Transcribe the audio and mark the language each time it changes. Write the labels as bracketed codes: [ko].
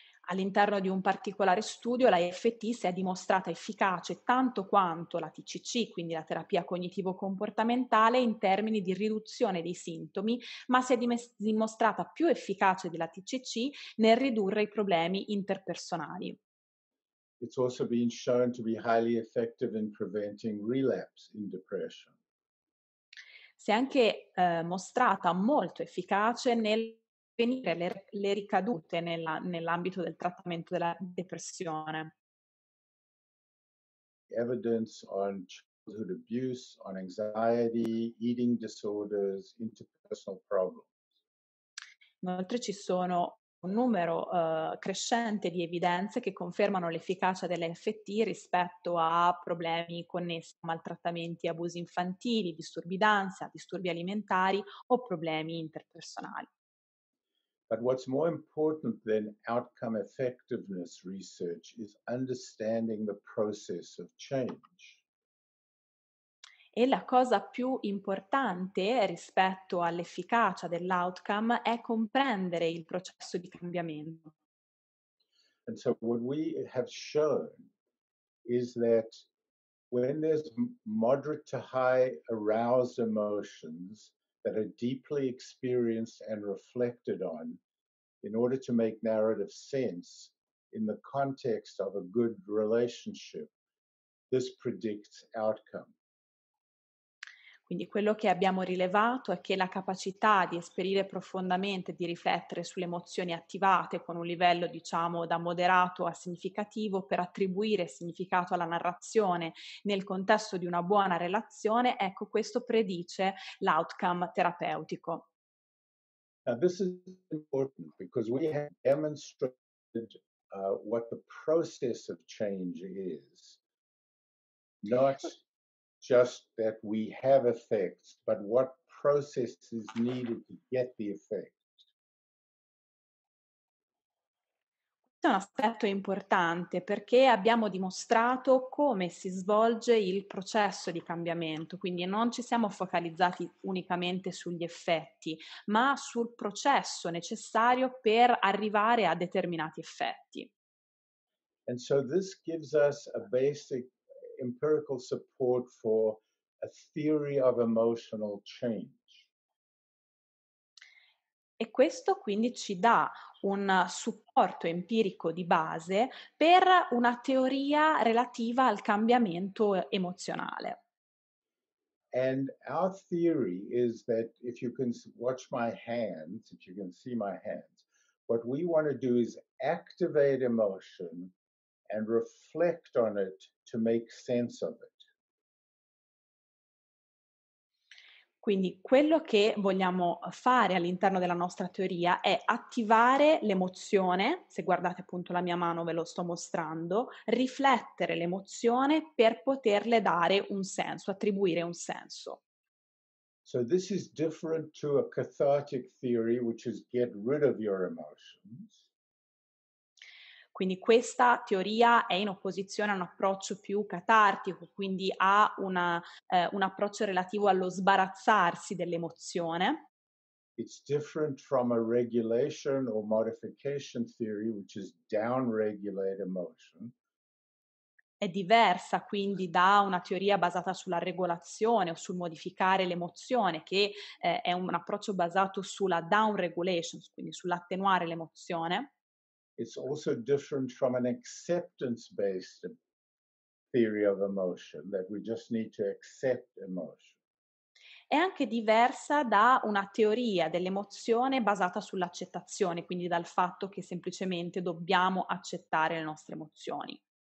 [it] All'interno di un particolare studio, la EFT si è dimostrata efficace tanto quanto la TCC, quindi la terapia cognitivo-comportamentale, in termini di riduzione dei sintomi, ma si è dimostrata più efficace della TCC nel ridurre i problemi interpersonali. [en] It's also been shown to be highly effective in preventing relapse in depression. [it] Si è anche mostrata molto efficace nel prevenire le ricadute nell'ambito del trattamento della depressione. [en] Evidence on childhood abuse, on anxiety, eating disorders, interpersonal problems. [it] Inoltre ci sono un numero crescente di evidenze che confermano l'efficacia dell'EFT rispetto a problemi connessi a maltrattamenti, abusi infantili, disturbi d'ansia, disturbi alimentari o problemi interpersonali. [en] But what's more important than outcome effectiveness research is understanding the process of change. [it] E la cosa più importante rispetto all'efficacia dell'outcome è comprendere il processo di cambiamento. [en] And so what we have shown is that when there's moderate to high aroused emotions that are deeply experienced and reflected on in order to make narrative sense in the context of a good relationship, this predicts outcome. [it] Quindi quello che abbiamo rilevato è che la capacità di esperire profondamente, di riflettere sulle emozioni attivate con un livello, diciamo, da moderato a significativo per attribuire significato alla narrazione nel contesto di una buona relazione, ecco, questo predice l'outcome terapeutico. [en] Now this is important because we have demonstrated what the process of change is, not just that we have effects, but what process is needed to get the effect. [it] È un aspetto importante perché abbiamo dimostrato come si svolge il processo di cambiamento, quindi non ci siamo focalizzati unicamente sugli effetti, ma sul processo necessario per arrivare a determinati effetti. [en] And so this gives us a basic empirical support for a theory of emotional change. [it] E questo quindi ci dà un supporto empirico di base per una teoria relativa al cambiamento emozionale. [en] And our theory is that if you can watch my hands, if you can see my hands, what we want to do is activate emotion and reflect on it to make sense of it. [it] Quindi quello che vogliamo fare all'interno della nostra teoria è attivare l'emozione, se guardate appunto la mia mano ve lo sto mostrando, riflettere l'emozione per poterle dare un senso, attribuire un senso. [en] So this is different to a cathartic theory, which is get rid of your emotions. [it] Quindi questa teoria è in opposizione a un approccio più catartico, quindi ha un approccio relativo allo sbarazzarsi dell'emozione. [en] It's different from a regulation or modification theory, which is down-regulate emotion. [it] È diversa quindi da una teoria basata sulla regolazione o sul modificare l'emozione, che è un approccio basato sulla down-regulation, quindi sull'attenuare l'emozione. [en] It's also different from an acceptance-based theory of emotion, that we just need to accept emotion. [it] È anche diversa da una teoria dell'emozione basata sull'accettazione, quindi dal fatto che semplicemente dobbiamo accettare le nostre emozioni.